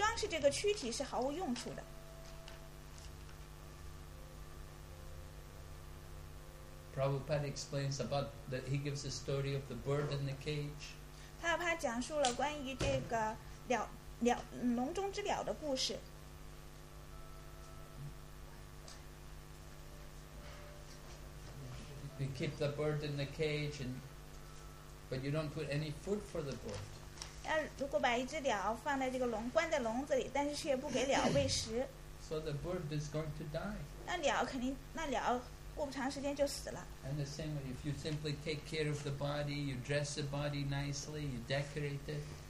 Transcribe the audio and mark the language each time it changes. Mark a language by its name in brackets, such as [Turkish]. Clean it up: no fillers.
[Chinese] 我们去装饰这个躯体是毫无用处的。 [English] Prabhupada explains about that he gives the story of the bird in the cage. [Chinese] 他讲述了关于这个笼中之鸟的故事。 [English] You keep the bird in the cage and but you don't put any food for the bird. [Chinese] 如果把一只鸟放在这个笼关在笼子里，但是却不给鸟喂食。 [English] So the bird is going to die. [Chinese] 那鸟过不长时间就死了。 [English] And the same way, if you simply take care of the body, you dress the body nicely, you decorate it.